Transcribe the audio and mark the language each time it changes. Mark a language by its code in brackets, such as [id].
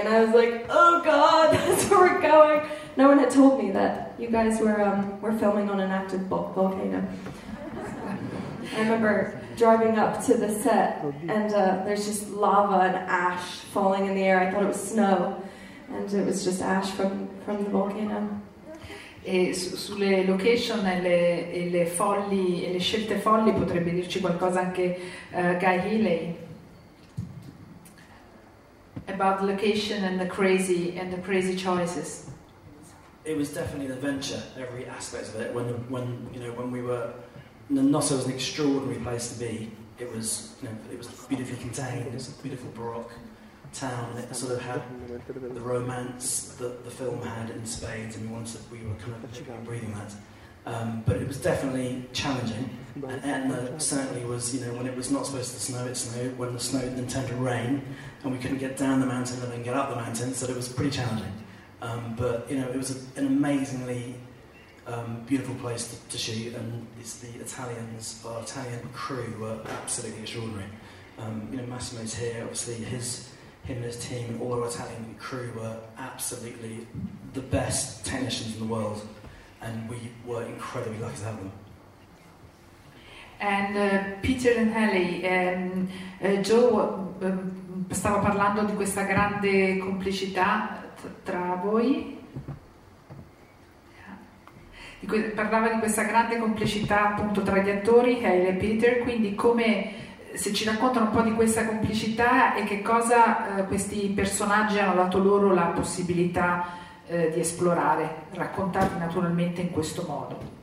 [en] And I was like, oh God, that's where we're going. No one had told me that you guys were filming on an active volcano. I remember driving up to the set, and there's just lava and ash falling in the air. I thought it was snow, and it was just ash from the volcano. [it] E sulle location e le folli e le scelte folli potrebbe dirci qualcosa anche Guy Healy. [en] About location and the crazy choices. It was definitely an adventure, every aspect of it. When we were. Nossa was an extraordinary place to be. It was, it was beautifully contained. It's a beautiful Baroque town. It sort of had the romance that the film had in spades, and we were kind of breathing that. But it was definitely challenging. And Etna certainly was, when it was not supposed to snow, it snowed. When the snow then turned to rain, and we couldn't get down the mountain and then get up the mountain, so it was pretty challenging. But it was an amazingly beautiful place to shoot, and it's the Italians. Our Italian crew were absolutely extraordinary. Massimo's here, obviously. Him and his team, all our Italian crew were absolutely the best technicians in the world, and we were incredibly lucky to have them. [it] And Peter and Helly, Joe stava parlando di questa grande complicità tra voi. Parlava di questa grande complicità appunto tra gli attori, Hale e Peter, quindi come se ci raccontano un po' di questa complicità e che cosa questi personaggi hanno dato loro la possibilità di esplorare, raccontati naturalmente in questo modo.